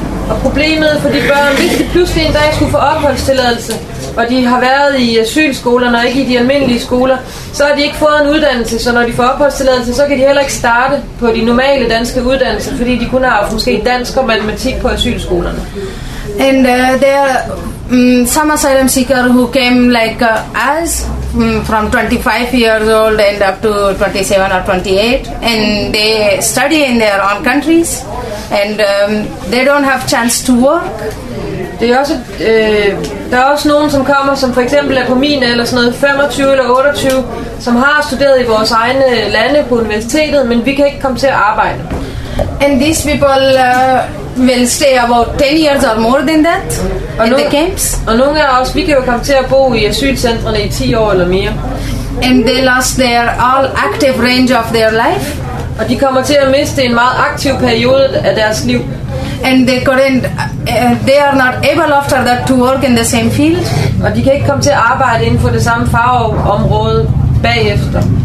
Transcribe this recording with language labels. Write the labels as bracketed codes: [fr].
[da] Og problemet for de børn, hvis de pludselig en dag skulle få opholdstilladelse, og de har været i asylskolerne og ikke i de almindelige skoler, så har de ikke fået en uddannelse, så når de får opholdstilladelse, så kan de heller ikke starte på de normale danske uddannelser, fordi de kun har haft måske dansk og matematik på asylskolerne. [en] And there some asylum seekers who came like us from 25 years old and up to 27 or 28 and they study in their own countries and they don't have chance to work. [da] Det er også der er også nogen som kommer som for eksempel er på min eller sådan noget 25 eller 28 som har studeret i vores egne lande på universitetet, men vi kan ikke komme til at arbejde. [en] And these people will stay about 10 years or more than that in the camps. [da] Og nogle af os, vi kan jo komme til at bo i asylcentrene i 10 år eller mere. [en] And they lost their all active range of their life. [da] Og de kommer til at miste en meget aktiv periode af deres liv. [en] And they couldn't, they are not able after that to work in the same field. [da] Og de kan ikke komme til at arbejde inden for det samme fagområde bagefter.